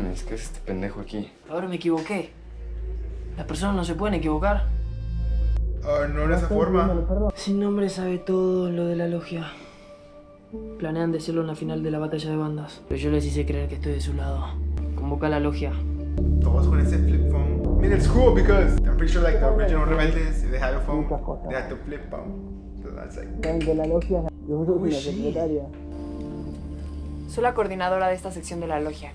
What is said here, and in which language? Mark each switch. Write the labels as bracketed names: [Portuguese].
[Spanish] Es que es este pendejo aquí. Ahora me equivoqué. Las personas no se pueden equivocar. No en esa forma. Sin nombre sabe todo lo de la logia. Planean decirlo en la final de la batalla de bandas. Pero yo les hice creer que estoy de su lado. Convoca a la logia. [English] Todos con ese flip phone. I mean, it's cool because I'm pretty sure like the original rebeldes, if they had a phone, they had to flip phone. So that's like... [Spanish] De la logia. Yo soy la secretaria. Soy la coordinadora de esta sección de la logia.